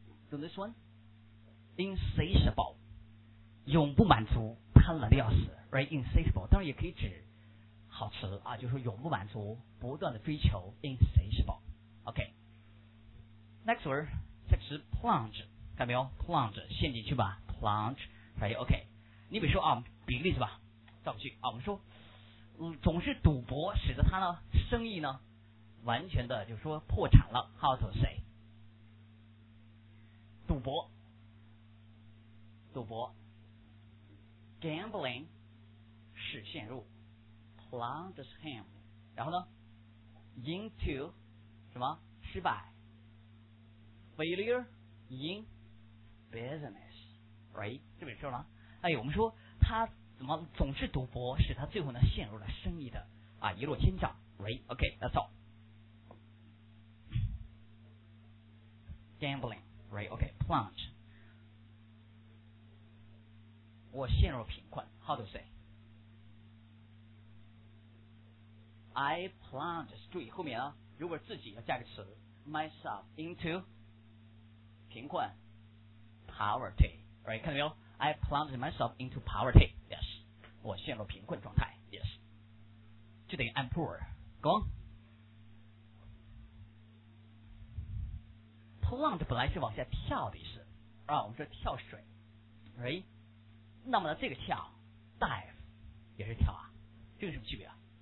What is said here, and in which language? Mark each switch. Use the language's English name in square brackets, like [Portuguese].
[English] So this one, insatiable， [Chinese] 永不满足，贪婪的要死， [English] right？ [Chinese] Insatiable， 当然也可以指好词啊，就是永不满足，不断的追求， insatiable。 [English] OK， next word， [Chinese] 下个词 [English] plunge， [Chinese] 看没有？ plunge， 陷进去吧， plunge， right？ OK， 你比如说啊，比个例子吧，造个句啊，我们说，总是赌博使得他呢生意呢完全的就是说破产了， [English] how to say？ [Chinese] 赌博 gambling 使陷入 [English] plunge him， [Chinese] 然后呢 into 什么失败 [English] failure in business， [Chinese] right？这本书呢，哎，我们说他怎么总是赌博，使他最后呢陷入了生意的啊一落千丈， right？ [English] OK， that's all gamblingRight, OK, plunge. [Chinese] 我陷入贫困， [English] how to say? I plunge, [Chinese] 注意后面啊，如果自己要加个词， [English] myself into [Chinese] 贫困， poverty. Right, 看到没有？ [English] I plunge myself into poverty. [Chinese] Yes, 我陷入贫困状态。 Yes, 就等于 [English] I'm poor. Go on. [Chinese] plunge 本来是往下跳的意思啊，我们说跳水 right？那么呢这个跳 dive 也是跳啊，这个什么区别啊？